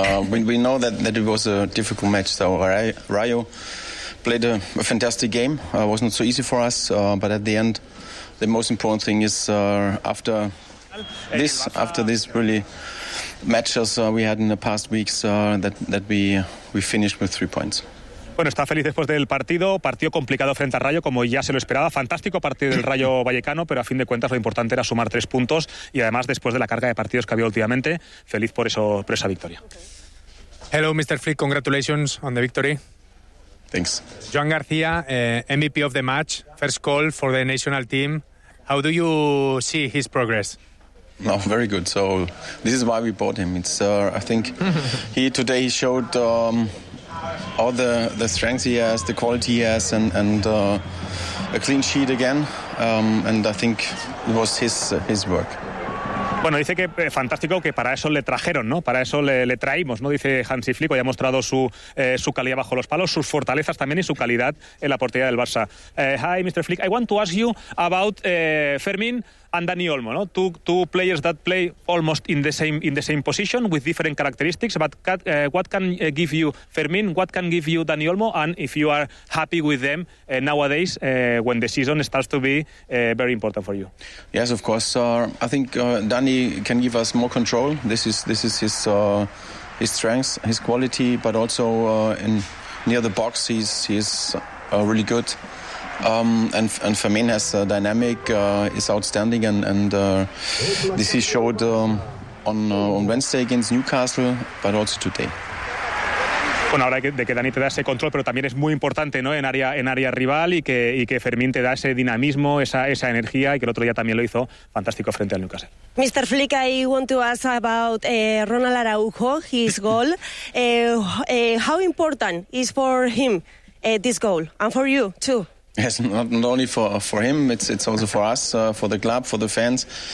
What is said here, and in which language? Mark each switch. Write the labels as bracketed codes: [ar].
[en] We know that it was a difficult match. So Rayo played a fantastic game. It wasn't so easy for us, but at the end, the most important thing is after this really matches we had in the past weeks that we finished with 3 points. [es] Bueno, está feliz después del partido. Partido complicado frente al Rayo, como ya se lo esperaba. Fantástico partido del Rayo Vallecano, pero a fin de cuentas lo importante era sumar 3 puntos. Y además, después de la carga de partidos que había últimamente, feliz por esa victoria. [en] Okay. Hello, Mr. Flick. Congratulations on the victory. Thanks. Joan García, MVP of the match. First call for the national team. How do you see his progress? No, very good. So this is why we bought him. It's, I think, today he showed... all the strengths he has, the quality he has, and a clean sheet again, and I think it was his work. [es] Bueno, dice que fantástico, que para eso le trajeron, ¿no? Para eso le traímos, ¿no? Dice Hansi Flick, ya ha mostrado su calidad bajo los palos, sus fortalezas también y su calidad en la portería del Barça. [en] Hi, Mr. Flick, I want to ask you about Fermín and Dani Olmo, ¿no? Two players that play almost in the same position with different characteristics, but what can give you Fermín, what can give you Dani Olmo, and if you are happy with them nowadays when the season starts to be very important for you? Yes, of course. I think Dani can give us more control. This is his strength, his quality, but also in near the box he's really good. And Fermín has a dynamic, is outstanding, and this he showed on Wednesday against Newcastle, but also today. [es] Bueno, ahora de que Dani te da ese control, pero también es muy importante, ¿no? En área rival y que Fermín te da ese dinamismo, esa energía, y que el otro día también lo hizo fantástico frente al Newcastle. [en] Mr. Flick, I want to ask about Ronald Araujo, his goal. How important is for him this goal, and for you too? Yes, not only for him, it's also for us, for the club, for the fans.